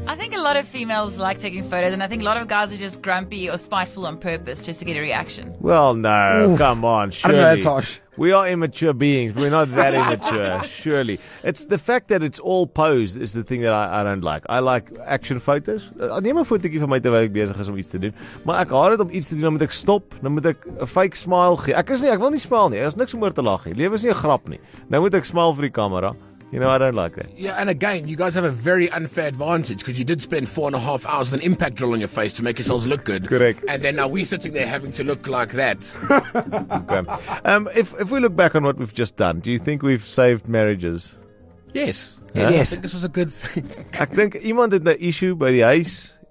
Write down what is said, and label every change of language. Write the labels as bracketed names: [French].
[English] I think a lot of females like taking photos and I think a lot of guys are just grumpy or spiteful on purpose just to get a reaction. Well, no, oof. Come on, surely. I know, that's harsh. We are immature beings. We're not that immature, surely. It's the fact that it's all posed is the thing that I don't like. I like action photos. [Afrikaans] Neem 'n fotootjie van my terwyl ek besig is om iets te doen. Maar ek haat dit om iets te doen, dan moet ek stop. Dan moet ek 'n fake smile gee. Ek is nie, ek wil nie smile nie. Daar is niks om oor te lag nie. Lewe is nie 'n grap nie. Nou moet ek smile vir die kamera. [English] You know, I don't like that. Yeah, and again, you guys have a very unfair advantage because you did spend 4.5 hours with an impact drill on your face to make yourselves look good. Correct. And then now we're sitting there having to look like that. Okay. If we look back on what we've just done, do you think we've saved marriages? Yes. Huh? Yes. I think this was a good thing. I think [Afrikaans] iemand het 'n issue by die huis.